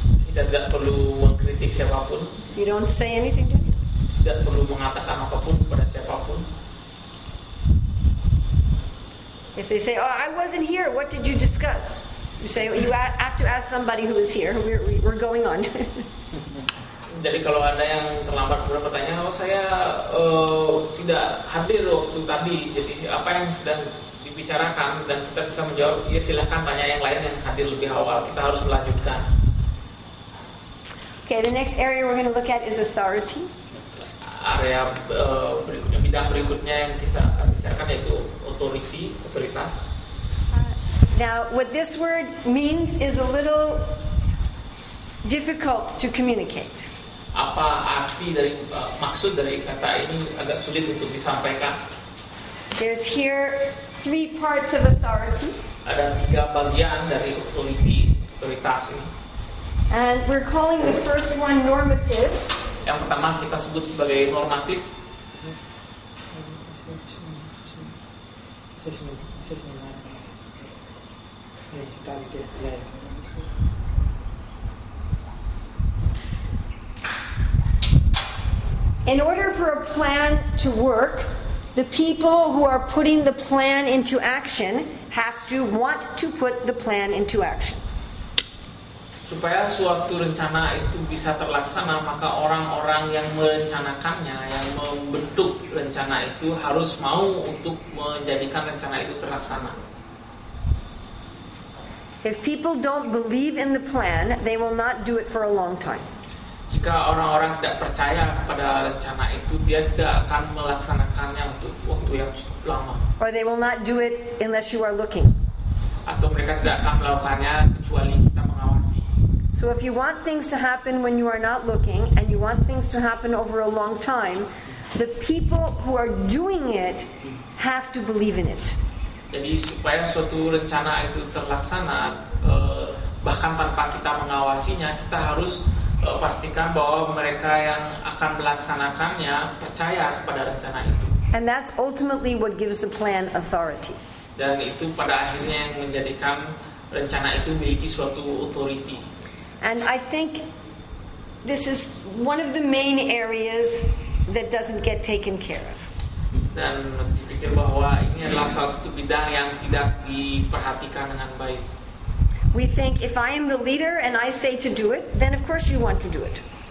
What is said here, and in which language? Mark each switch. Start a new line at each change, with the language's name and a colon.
Indonesian: Kita tidak perlu mengkritik siapapun.
English: You don't say anything to anybody.
Indonesian: Tidak perlu mengatakan apapun kepada siapapun.
English: If they say, "Oh, I wasn't here. What did you discuss?" You say, "You have to ask somebody who was here. We're going on."
Indonesian: Jadi kalau ada yang terlambat pura bertanya, "Oh, saya tidak hadir waktu tadi. Jadi apa yang sedang bicarakan?" Dan kita bisa menjawab, ya silahkan tanya yang lain yang hadir lebih awal. Kita harus melanjutkan.
English: Okay, the next area we're going to look at is authority.
Indonesian: Area berikutnya, bidang berikutnya yang kita akan bicarakan yaitu authority, otoritas.
English: Now, what this word means is a little difficult to communicate.
Indonesian: Apa arti dari maksud dari kata ini agak sulit untuk disampaikan.
English: There's here three parts of authority.
Indonesian: Ada tiga bagian dari authority, otoritas ini.
English: And we're calling the first one normative.
Indonesian: Yang pertama kita sebut sebagai normatif.
English: In order for a plan to work, the people who are putting the plan into action have to want to put the plan into action.
Indonesian: Supaya suatu rencana itu bisa terlaksana, maka orang-orang yang merencanakannya, yang membentuk rencana itu harus mau untuk menjadikan rencana itu terlaksana.
English: If people don't believe in the plan, they will not do it for a long time.
Indonesian: Jika orang-orang tidak percaya pada rencana itu, dia tidak akan melaksanakannya untuk waktu yang cukup lama.
English: Or they will not do it unless you are looking.
Indonesian: Atau mereka tidak akan melakukannya kecuali kita mengawasi.
English: So if you want things to happen when you are not looking and you want things to happen over a long time, the people who are doing it have to believe in it.
Indonesian: Jadi supaya suatu rencana itu terlaksana, bahkan tanpa kita mengawasinya, kita harus pastikan bahwa mereka yang akan melaksanakannya percaya kepada rencana itu.
English: And that's ultimately what gives the plan authority.
Indonesian: Dan itu pada akhirnya yang menjadikan rencana itu memiliki suatu authority.
English: And I think this is one of the main areas that doesn't get taken care of.
Indonesian: Dan dipikir bahwa ini adalah salah satu bidang yang tidak diperhatikan dengan baik.
English: We think if I am the leader and I say to do it, then of course you want to do it.